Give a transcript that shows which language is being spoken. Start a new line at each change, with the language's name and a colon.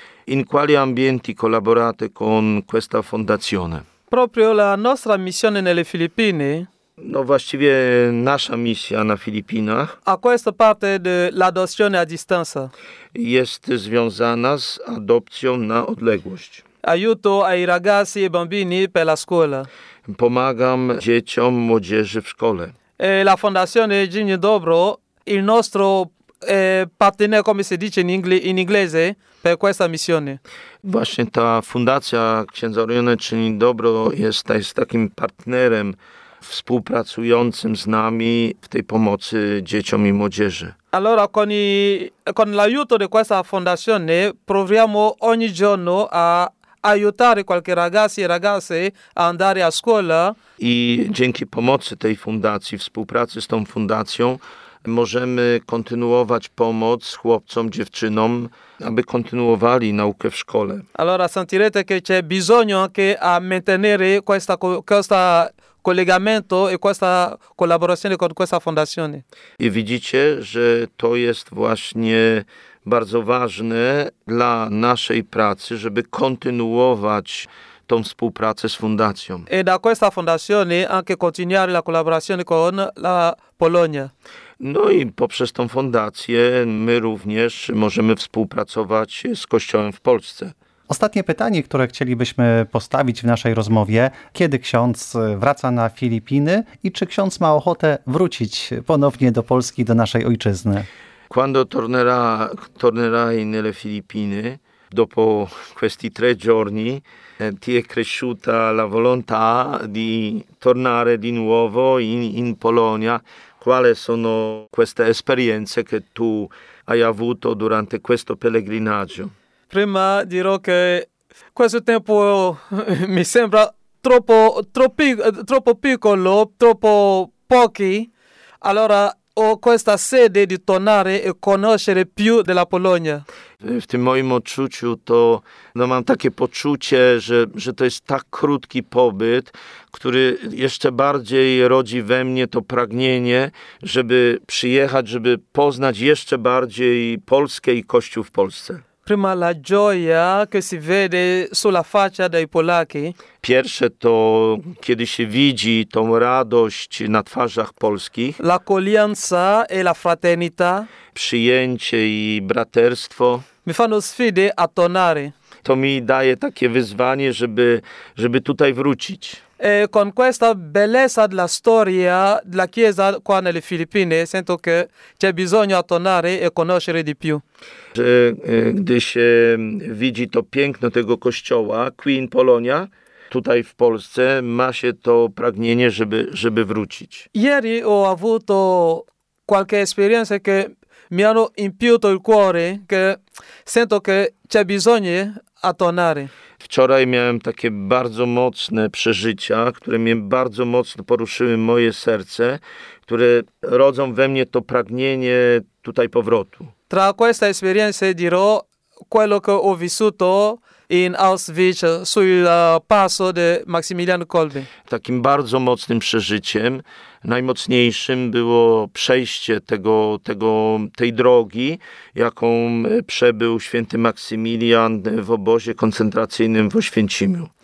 Italian: In quali ambienti collaborate con questa fondazione? Proprio la nostra missione nelle Filippine.
Polish: No właściwie nasza misja na Filipinach.
Italian: A questa parte dell'adozione a distanza.
Polish: Jest związana z adopcją na odległość.
Italian: Aiuto ai ragazzi e bambini per la scuola.
Polish: Pomagam dzieciom, młodzieży w szkole.
Italian: E la Fondazione Cinme Dobro, il nostro partner, come si dice in inglese, per questa missione.
Polish: Właśnie ta fundacja Księdza Orione Czyni Dobro jest takim partnerem współpracującym z nami w tej pomocy dzieciom i młodzieży.
Italian: Allora, con l'aiuto di questa fondazione, proviamo ogni giorno a aiutare qualche ragazzi e ragazze a andare a scuola.
Polish: I dzięki pomocy tej fundacji, współpracy z tą fundacją, możemy kontynuować pomoc chłopcom, dziewczynom, aby kontynuowali naukę w szkole.
Italian: Allora sentirete che c'è bisogno anche a mantenere questo collegamento e questa collaborazione con questa fondazione.
Polish: I widzicie, że to jest właśnie bardzo ważne dla naszej pracy, żeby kontynuować tą współpracę z fundacją.
Italian: E da questa fondazione anche continuare la collaborazione con la Polonia.
Polish: No i poprzez tą fundację my również możemy współpracować z Kościołem w Polsce. Ostatnie pytanie, które chcielibyśmy postawić w naszej rozmowie. Kiedy ksiądz wraca na Filipiny i czy ksiądz ma ochotę wrócić ponownie do Polski, do naszej ojczyzny?
Italian: Quando tornerai nelle Filippine, dopo questi tre giorni, ti è cresciuta la volontà di tornare di nuovo in Polonia. Quali sono queste esperienze che tu hai avuto durante questo pellegrinaggio? Prima dirò che questo tempo mi sembra troppo piccolo, troppo pochi. Allora o questa sede di tornare e conoscere più della Polonia?
Polish: W tym moim odczuciu to no mam takie poczucie, że to jest tak krótki pobyt, który jeszcze bardziej rodzi we mnie to pragnienie, żeby przyjechać, żeby poznać jeszcze bardziej Polskę i Kościół w Polsce.
Italian: Prima la gioia che si vede sulla faccia dei polacchi.
Polish: Pierwsze to, kiedy się widzi tą radość na twarzach polskich.
Italian: L'accoglienza e la fraternità.
Polish: Przyjęcie i braterstwo.
Italian: Mi fanno sfide a tornare.
Polish: To mi daje takie wyzwanie, żeby tutaj wrócić.
Italian: E con questa bellezza della storia della chiesa qua nelle Filippine sento che c'è bisogno di tornare e conoscere di più.
Polish: Że gdy się widzi to piękno tego kościoła
Italian: qui in Polonia,
Polish: tutaj w Polsce, ma się to pragnienie, żeby wrócić.
Italian: Ieri ho avuto qualche esperienza che mi hanno impiuto il cuore, che sento che c'è bisogno a tornare.
Polish: Wczoraj miałem takie bardzo mocne przeżycia, które mnie bardzo mocno poruszyły moje serce, które rodzą we mnie to pragnienie tutaj powrotu.
Italian: Tra questa esperienza dirò quello che ho vissuto in Auschwitz sul passo di Maximiliano Kolbe.
Polish: Takim bardzo mocnym przeżyciem, najmocniejszym było przejście tej drogi, jaką przebył święty Maksymilian w obozie koncentracyjnym w Oświęcimiu.